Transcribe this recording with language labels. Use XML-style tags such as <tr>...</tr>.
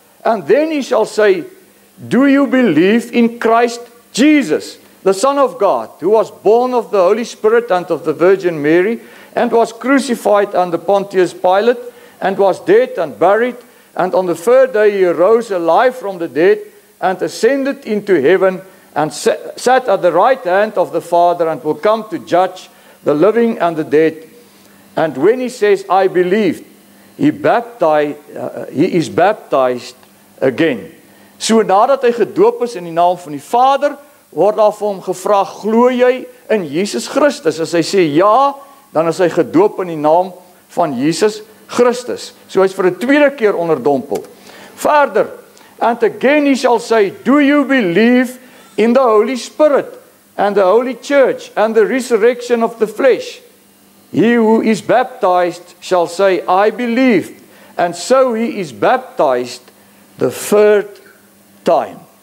<en>And then he shall say, do you believe in Christ Jesus, the Son of God, who was born of the Holy Spirit and of the Virgin Mary, and was crucified under Pontius Pilate, and was dead and buried, and on the third day he rose alive from the dead, and ascended into heaven, and sat at the right hand of the Father, and will come to judge the living and the dead. And when he says, I believe, he is baptized again.</en> <af>So nadat hy gedoop is in die naam van die Vader, word daar vir hom gevra, glo jy in Jesus Christus? As hy sê ja, dan is hy gedoop in die naam van Jesus Christus. So hy is vir 'n tweede keer onderdompel. Verder,</af> <en>and again he shall say, do you believe in the Holy Spirit and the Holy Church and the resurrection of the flesh? He who is baptized shall say, I believe. And so he is baptized the third time.</en>